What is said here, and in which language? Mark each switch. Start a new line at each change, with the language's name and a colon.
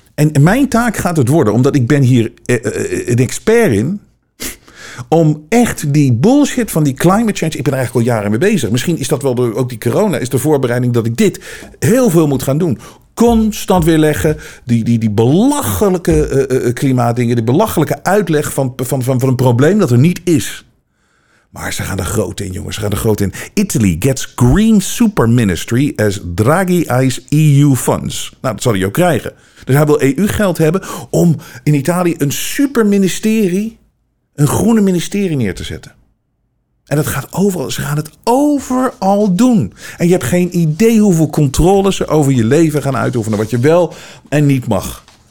Dutch: En mijn taak gaat het worden, omdat ik ben hier een expert in, om echt die bullshit van die climate change, ik ben er eigenlijk al jaren mee bezig. Misschien is dat wel ook die corona, is de voorbereiding dat ik dit heel veel moet gaan doen. Constant weer leggen. Die belachelijke klimaatdingen, die belachelijke uitleg van een probleem dat er niet is. Maar ze gaan er groot in, jongens. Ze gaan er groot in.
English: Italy gets green super ministry as Draghi eyes EU funds.
Dutch: Nou, dat zal hij ook krijgen. Dus hij wil EU-geld hebben om in Italië een super ministerie, een groene ministerie neer te zetten. En dat gaat overal. Ze gaan het overal doen. En je hebt geen idee hoeveel controle ze over je leven gaan uitoefenen, wat je wel en niet mag.